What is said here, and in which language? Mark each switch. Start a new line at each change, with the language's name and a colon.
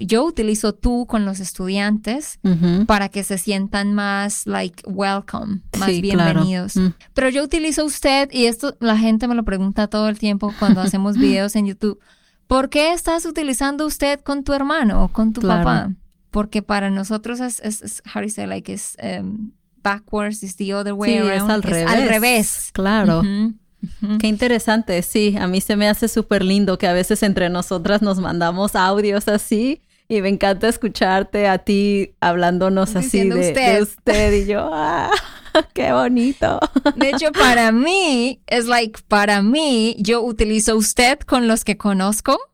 Spanish: Yo utilizo tú con los estudiantes uh-huh. para que se sientan más
English: like welcome,
Spanish: más sí, bienvenidos. Claro. Mm. Pero yo utilizo usted, y esto la gente me lo pregunta todo el tiempo cuando hacemos videos en YouTube. ¿Por qué estás utilizando usted con tu hermano o con tu claro. papá? Porque para nosotros es
English: how do you say, like, it's backwards, it's the other way
Spanish: sí,
English: around.
Spanish: Es al revés. Es al revés. Claro. Uh-huh. Qué interesante. Sí, a mí se me hace súper lindo que a veces entre nosotras nos mandamos audios así. Y me encanta escucharte a ti hablándonos diciendo así usted. De usted. Y yo, ¡ah! ¡Qué bonito! De hecho, para mí, es like, para mí, yo utilizo usted con los que conozco.